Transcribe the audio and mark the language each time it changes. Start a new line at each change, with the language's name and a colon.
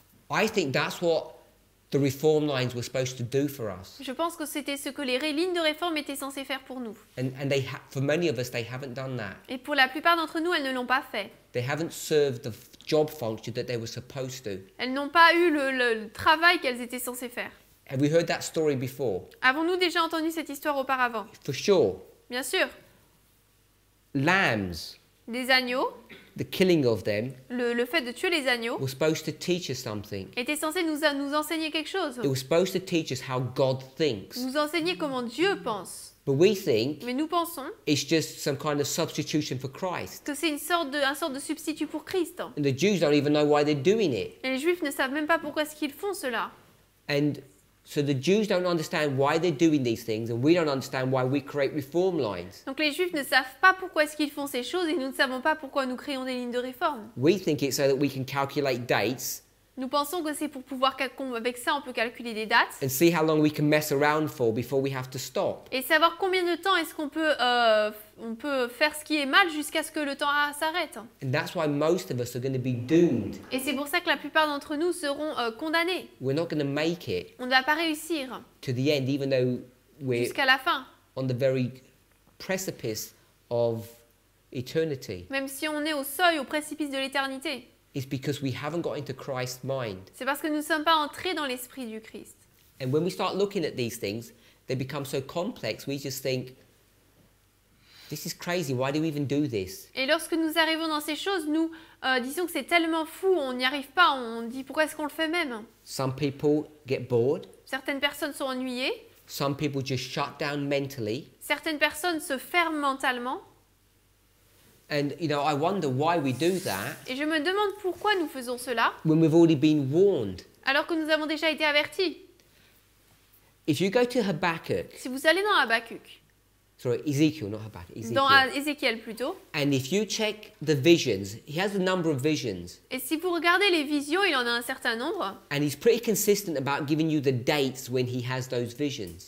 English: I think that's what the reform lines were supposed to do for us.
French: Je pense que c'était ce que les lignes de réforme étaient censées faire pour nous.
English: For many of us, they haven't done that.
French: Et pour la plupart d'entre nous, elles ne l'ont pas fait.
English: They haven't served the job function that they were supposed to.
French: Elles n'ont pas eu le travail qu'elles étaient censées faire.
English: Have we heard that story before?
French: Avons-nous déjà entendu cette histoire auparavant?
English: For sure.
French: Bien sûr.
English: Lambs.
French: Des agneaux.
English: The killing of them.
French: Le fait de tuer les agneaux.
English: Was supposed to teach us something.
French: Était censé nous enseigner quelque chose.
English: It was supposed to teach us how God thinks.
French: Nous enseigner comment Dieu pense.
English: But we think.
French: Mais nous pensons.
English: It's just some kind of substitution for Christ.
French: Que c'est une sorte de substitut pour Christ.
English: And the Jews don't even know why they're doing it.
French: Et les Juifs ne savent même pas pourquoi est-ce qu'ils font cela.
English: And so the Jews don't understand why they're doing these things, and we don't understand why we create reform lines.
French: Donc les Juifs ne savent pas pourquoi est-ce qu'ils font ces choses, et nous ne savons pas pourquoi nous créons des lignes de réforme.
English: We think it's so that we can calculate dates.
French: Nous pensons que c'est pour pouvoir avec ça on peut calculer des dates.
English: And see how long we can mess around for before we have to stop.
French: Et savoir combien de temps est-ce qu'on peut on peut faire ce qui est mal jusqu'à ce que le temps s'arrête.
English: And that's why most of us are going to be doomed.
French: Et c'est pour ça que la plupart d'entre nous seront condamnés.
English: We're not going to make it.
French: On ne va pas réussir.
English: To the end, even though we're
French: jusqu'à la fin.
English: On the very precipice of eternity.
French: Même si on est au seuil, au précipice de l'éternité.
English: It's because we haven't got into Christ's mind.
French: C'est parce que nous ne sommes pas entrés dans l'esprit du Christ.
English: And when we start looking at these things, they become so complex, we just think, this is crazy, why do we even do this?
French: Et lorsque nous arrivons dans ces choses, nous disons que c'est tellement fou, on n'y arrive pas, on dit pourquoi est-ce qu'on le fait même?
English: Some people get bored.
French: Certaines personnes sont ennuyées.
English: Some people just shut down mentally.
French: Certaines personnes se ferment mentalement.
English: And you know, I wonder why we do that.
French: Et je me demande pourquoi nous faisons cela.
English: When we've already been warned.
French: Alors que nous avons déjà été avertis.
English: If you go to Habakkuk.
French: Si vous allez dans Habakkuk.
English: Sorry, Ezekiel, not Habakkuk. Ezekiel.
French: Dans Ezekiel plutôt.
English: And if you check the visions, he has a number of visions.
French: Et si vous regardez les visions, il en a un certain nombre.
English: And he's pretty consistent about giving you the dates when he has those visions.